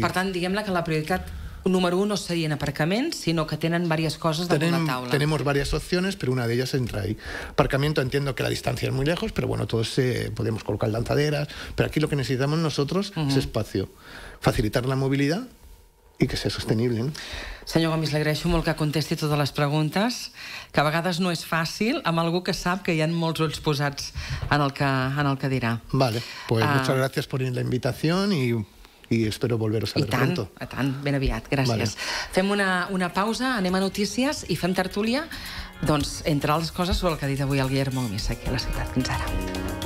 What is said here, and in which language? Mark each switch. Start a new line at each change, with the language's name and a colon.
Catalan: Per tant, diguem-la que la prioritat número uno serien aparcaments, sinó que tenen diverses coses damunt la taula.
Spanish: Tenemos varias opciones, pero una de ellas entra ahí. Aparcamiento, entiendo que la distancia es muy lejos, pero bueno, todos podemos colocar lanzaderas, pero aquí lo que necesitamos nosotros es espacio. Facilitar la movilidad y que sea sostenible.
Catalan: Senyor Gomis, l'agraeixo molt que contesti totes les preguntes, que a vegades no és fàcil amb algú que sap que hi ha molts ulls posats en el que dirà.
Spanish: Vale, pues muchas gracias por la invitación y espero volveros a ver pronto.
Catalan: I tant, ben aviat, gràcies. Vale. Fem una pausa, anem a notícies i fem tertúlia, doncs, entre altres coses, sobre el que ha dit avui el Guillermo Gomis aquí a la ciutat. Fins ara.